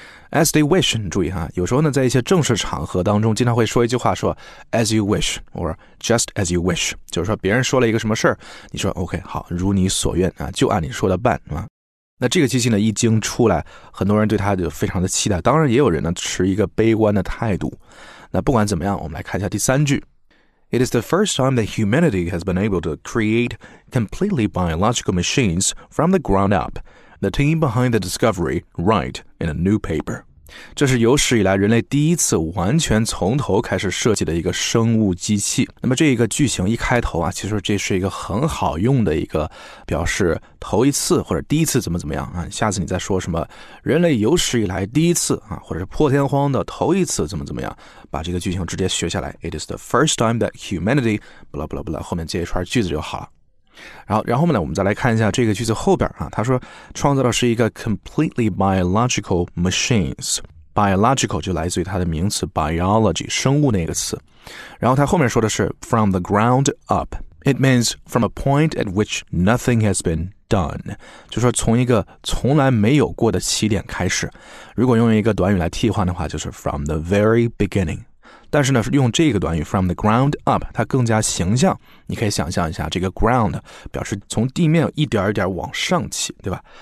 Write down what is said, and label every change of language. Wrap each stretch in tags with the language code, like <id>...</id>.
<en>As they wish,</en> <zh>注意啊，有时候呢在一些正式场合当中经常会说一句话说</zh> <en>as you wish, or just as you wish,</en> <zh>就是说别人说了一个什么事儿你说 OK, 好如你所愿啊就按你说的办啊。那这个机器呢一经出来很多人对它就非常的期待，当然也有人呢持一个悲观的态度。那不管怎么样我们来看一下第三句。</zh> <en>It is the first time that humanity has been able to create completely biological machines from the ground up. The team behind the discovery write in a new paper.</en> <zh>这是有史以来人类第一次完全从头开始设计的一个生物机器。那么这一个剧情一开头啊，其实这是一个很好用的一个表示头一次或者第一次怎么怎么样啊，下次你再说什么人类有史以来第一次啊，或者是破天荒的头一次怎么怎么样，把这个剧情直接学下来。</zh> <en>It is the first time that humanity, blah blah blah,</en> <zh>后面接一串句子就好了。然后呢我们再来看一下这个句子后边啊，他说创造的是一个</zh> <en>completely biological machines。</en> <zh>biological 就来自于它的名词 biology, 生物那个词。然后他后面说的是</zh> <en>from the ground up。 It means from a point at which nothing has been done。</en> <zh>就说从一个从来没有过的起点开始。如果用一个短语来替换的话，就是</zh> <en>from the very beginning。</en> <zh>但是呢，用这个短语</zh> <en>from the ground up,</en> <zh>它更加形象。你可以想象一下，这个 ground 表示从地面一点一点往上起，对吧？</zh>